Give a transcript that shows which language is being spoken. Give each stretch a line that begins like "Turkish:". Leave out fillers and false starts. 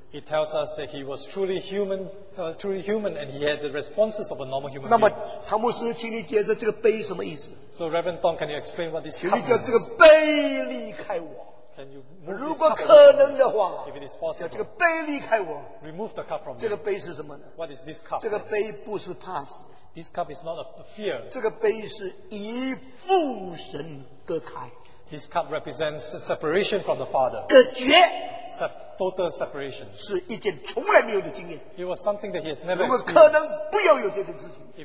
English: It tells us that he was truly human, and he had the responses of a normal human being.
Chinese: 那么，唐牧师，请你解释这个杯什么意思？
English: So, Reverend Tong, can you explain what this cup means?
Chinese: 请你叫这个杯离开我。
English: Can you move this cup?
Chinese: 如果可能的话，
English: if it is possible,
Chinese: 叫这个杯离开我。
English: Remove the cup from me.
Chinese: 这个杯是什么呢？
English: What is this cup?
Chinese: 这个杯不是怕死。
English: This cup is not a fear.
Chinese: 这个杯是与父神隔开。
English: This cup represents a separation from the Father.
Chinese: 隔绝。
English: Total separation.
Chinese: 是一件从来没有的经验。
English: It was something that he has never
Chinese: 如果可能，不要有这件事情。